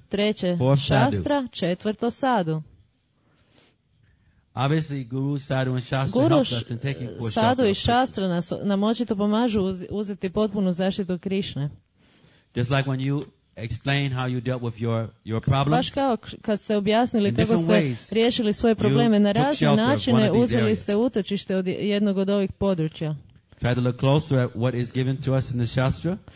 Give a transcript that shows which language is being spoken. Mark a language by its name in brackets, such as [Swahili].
[Croatian] Treće, shastra. Četvrto, sadhu. [English] Obviously, guru, sadhu, and shastra help us in taking full shelter. [Croatian] Sadhu i shastra nam očito pomažu uzeti potpunu zaštitu Krišne. [English] Just like when you explain how you dealt with your problems. [Croatian] Baš kao kad ste objasnili kako ste riješili svoje probleme na razne načine, uzeli ste utočište od jednog od ovih područja. [English] Try to look closer at what is given to us in the shastra.